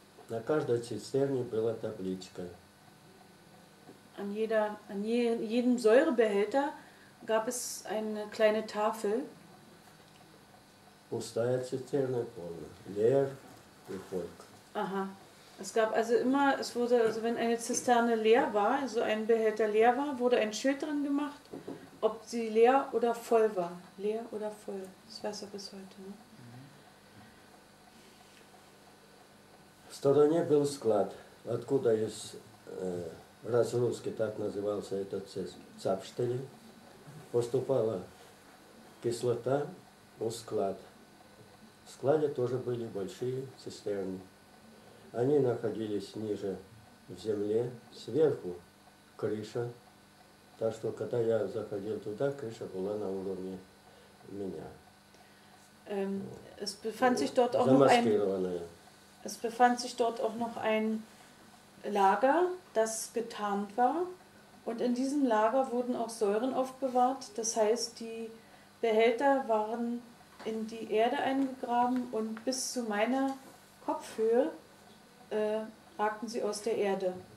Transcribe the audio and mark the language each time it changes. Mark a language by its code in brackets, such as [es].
[ru] На каждой цистерне была табличка. [de] An jedem Säurebehälter gab es eine kleine Tafel. [ru] Пустая цистерна полна. [de] Leer [ru] и volk. Aha. [de] Es gab also immer, es wurde, also wenn eine Zisterne leer war, also ein Behälter leer war, wurde ein Schild drin gemacht, ob sie leer oder voll war. Leer oder voll. Das weiß er bis heute, ne? [ru] В стороне был склад, откуда из разгрузки, так назывался этот цапштель, поступала кислота у склад. В складе тоже были большие цистерны. Они находились ниже в земле, сверху крыша. Так что, когда я заходил туда, крыша была на уровне меня. Замаскированная. [de] Es befand sich dort auch noch ein Lager, das getarnt war. Und in diesem Lager wurden auch Säuren aufbewahrt. Das heißt, die Behälter waren in die Erde eingegraben und bis zu meiner Kopfhöhe ragten sie aus der Erde.